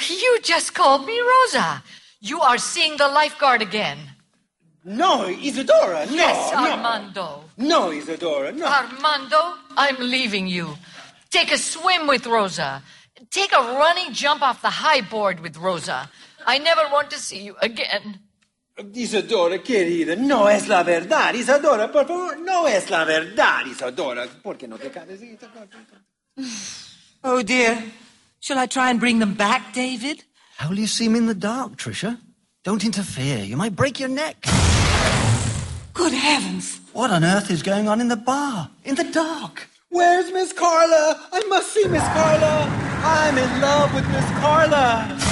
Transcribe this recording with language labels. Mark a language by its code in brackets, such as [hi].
[en] You just called me Rosa. You are seeing the lifeguard again. No, Isadora, no. Yes, Armando. No, Isadora, no. Armando, I'm leaving you. Take a swim with Rosa. Take a running jump off the high board with Rosa. I never want to see you again. [es] Isadora, querida, no es la verdad, Isadora, por favor, no es la verdad, Isadora, ¿por qué no te cabes? [en] Oh, dear, shall I try and bring them back, David? How will you see him in the dark, Trisha? Don't interfere, you might break your neck. Good heavens! What on earth is going on in the bar, in the dark? Where's Miss Carla? I must see Miss Carla! I'm in love with Miss Carla!